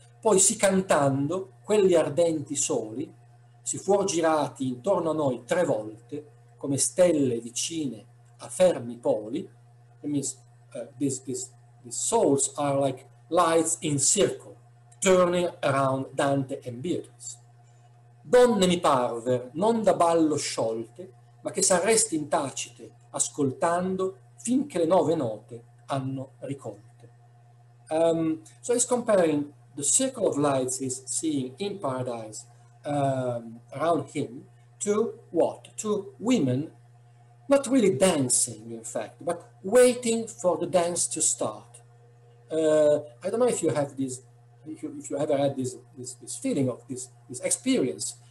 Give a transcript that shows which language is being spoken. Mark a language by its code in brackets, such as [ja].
[it] Poi si cantando, quelli ardenti soli, si fuor girati intorno a noi tre volte, come stelle vicine a fermi poli. [en] It means these souls are like lights in circle, turning around Dante and Beatrice. [it] Donne mi parver, non da ballo sciolte, ma che s'arresti in tacite, ascoltando, finché le nove note hanno ricolte. [en] So he's comparing the circle of lights he's seeing in paradise around him to what? To women, not really dancing, in fact, but waiting for the dance to start. I don't know if you have this, if you ever had this feeling of this experience.